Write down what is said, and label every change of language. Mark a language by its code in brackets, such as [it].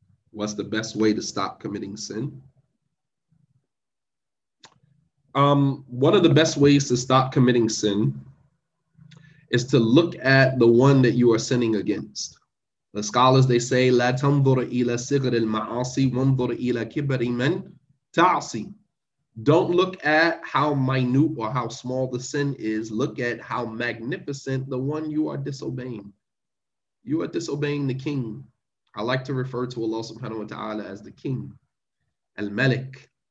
[en] What's the best way to stop committing sin? One of the best ways to stop committing sin is to look at the one that you are sinning against. The scholars, they say, [ar] لا تنظر إلى صغر المعاصي وانظر إلى كبر من تعصي. [en] Don't look at how minute or how small the sin is. Look at how magnificent the one you are disobeying. You are disobeying the king. I like to refer to Allah subhanahu wa ta'ala as the king, al-malik.